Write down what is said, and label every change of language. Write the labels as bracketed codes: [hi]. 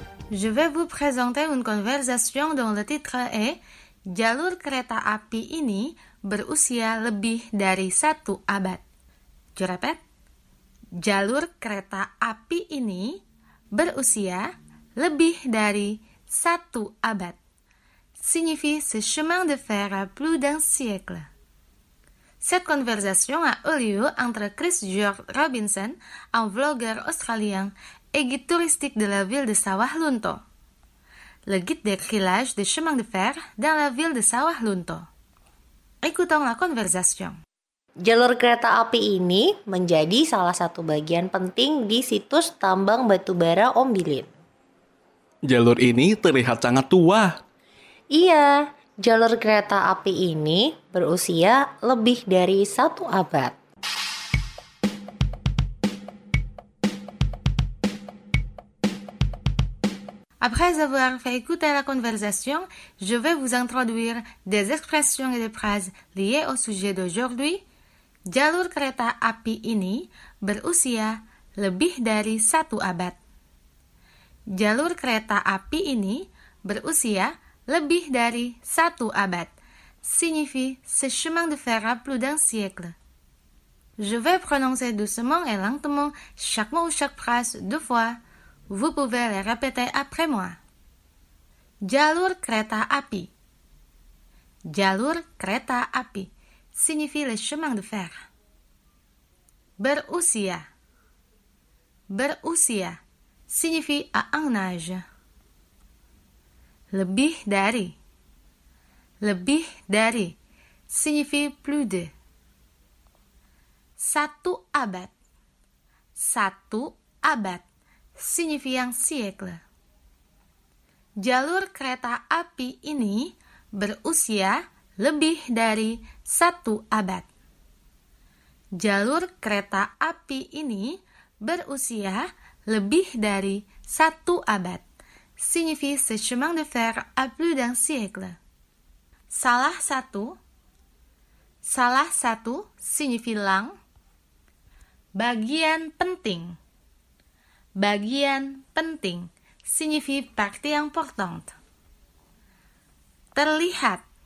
[fr] Je vais vous présenter une conversation dont le titre est « [id] Jalur kereta api ini berusia lebih dari satu abad ». [fr] Je répète. [id] Jalur kereta api ini berusia lebih dari satu abad. [fr] Signifie « ce chemin de fer a plus d'un siècle ». Cette conversation a eu lieu entre Chris George Robinson, un vlogueur australien, et guide touristique de la ville de Sawah Lunto. Le guide décrit l'âge des chemins de fer dans la ville de Sawah Lunto. Écoutons la conversation. [id] Jalur kereta api ini menjadi salah satu bagian penting di situs tambang batubara Ombilin. Jalur ini terlihat sangat tua. Iya, jalur kereta api ini berusia lebih dari satu abad. [fr] Après avoir fait écouter la conversation, je vais vous introduire des expressions et des phrases liées au sujet d'aujourd'hui. [id] Jalur kereta api ini berusia lebih dari satu abad. Jalur kereta api ini berusia lebih dari satu abad. [fr] Signifie ce chemin de fer a plus d'un siècle. Je vais prononcer doucement et lentement chaque mot ou chaque phrase deux fois. Vous pouvez les répéter après moi. [id] Jalur kereta api. Jalur kereta api [fr] signifie le chemin de fer. [id] Berusia. Berusia [fr] signifie à un âge. [id] Lebih dari. Lebih dari [fr] signifie plus de. [id] Satu abad. Satu abad [fr] signifie un siècle. [id] Jalur kereta api ini berusia lebih dari satu abad. Jalur kereta api ini berusia lebih dari satu abad. [fr] Signifie ce chemin de fer a plus d'un siècle. [id] Salah satu. Salah satu [fr] signifie lang. [id] Bagian penting. Bagian penting [fr] signifie partie importante. [id] Terlihat.